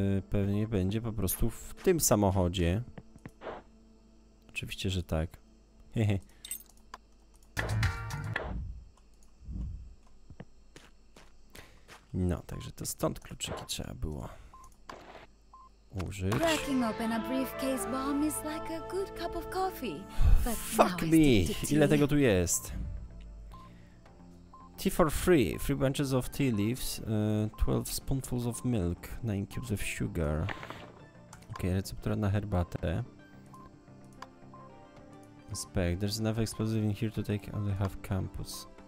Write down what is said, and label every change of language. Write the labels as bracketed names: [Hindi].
[Polish] pewnie będzie po prostu w tym samochodzie. Oczywiście, że tak. Hehe. No, także to stąd kluczyki trzeba było użyć. [English] Cracking open a briefcase bomb is like a good cup of coffee. But fuck me! [Polish] Ile tego tu jest? [English] Tea for free. 3 bunches of tea leaves, 12 spoonfuls of milk, 9 cubes of sugar. [Polish] Okej, okay, receptura na herbatę. [English] Spec. There's enough explosive in here to take only half campus.